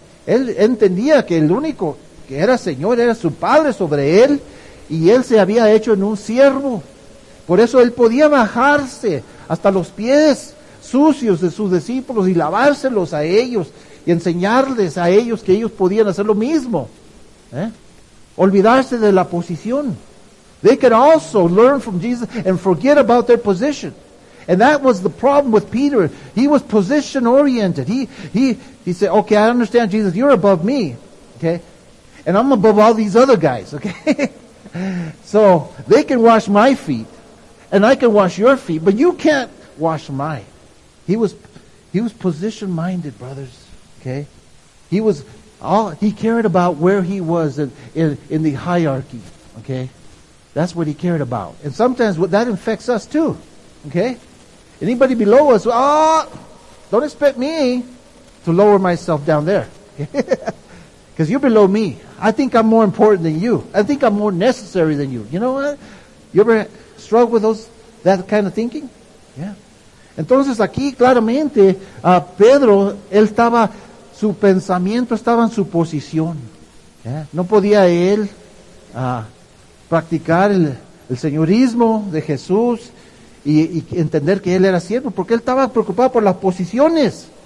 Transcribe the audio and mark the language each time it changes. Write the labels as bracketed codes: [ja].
[es] Él entendía que el único que era Señor era su Padre sobre él, y él se había hecho en un siervo. Por eso él podía bajarse hasta los pies sucios de sus discípulos y lavárselos a ellos y enseñarles a ellos que ellos podían hacer lo mismo. Olvidarse de la posición. [en] They could also learn from Jesus and forget about their position. And that was the problem with Peter. He was position-oriented. He said, okay, I understand, Jesus, you're above me. Okay? And I'm above all these other guys. Okay? So, they can wash my feet, and I can wash your feet, but you can't wash mine. He was position-minded, brothers. Okay? He cared about where he was in the hierarchy. Okay? That's what he cared about. And sometimes that infects us too. Okay? Anybody below us, don't expect me to lower myself down there. Because you're below me. I think I'm more important than you. I think I'm more necessary than you. You know what? You ever struggle with that kind of thinking? Yeah. [es] Entonces aquí claramente, Pedro, él estaba, su pensamiento estaba en su posición. Yeah. No podía él practicar el señorismo de Jesús. Y entender que él era siervo, porque él estaba preocupado por las posiciones.